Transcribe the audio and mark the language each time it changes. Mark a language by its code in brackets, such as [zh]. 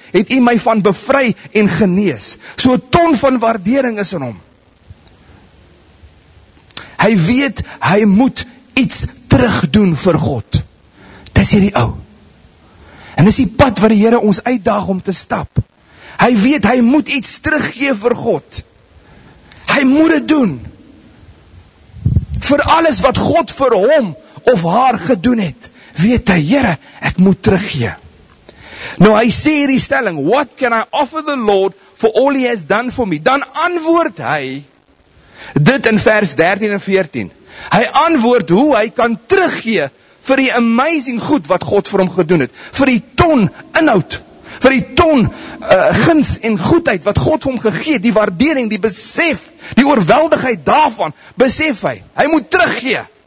[af] Het U my van bevry en genees? So 'n ton van waardering is in hom. Hy weet hy moet iets terugdoen vir God. Dis hierdie ou. En dis die pad wat die Here ons uitdaag om te stap. Hy weet, hy moet iets teruggee vir God. Hy moet dit doen. Vir alles wat God vir hom of haar gedoen het, weet hy, Here, ek moet teruggee. Nou, hy sê hierdie stelling, [en] What can I offer the Lord for all he has done for me? [af] Dan antwoord hy, dit in vers 13 en 14. Hy antwoord hoe hy kan teruggee, vir die amazing goed wat God vir hom gedoen het, vir die ton inhoud, vir die ton guns en goedheid wat God vir hom gegee het, die waardering, die besef, die oorweldigheid daarvan, besef hy, hy moet teruggee.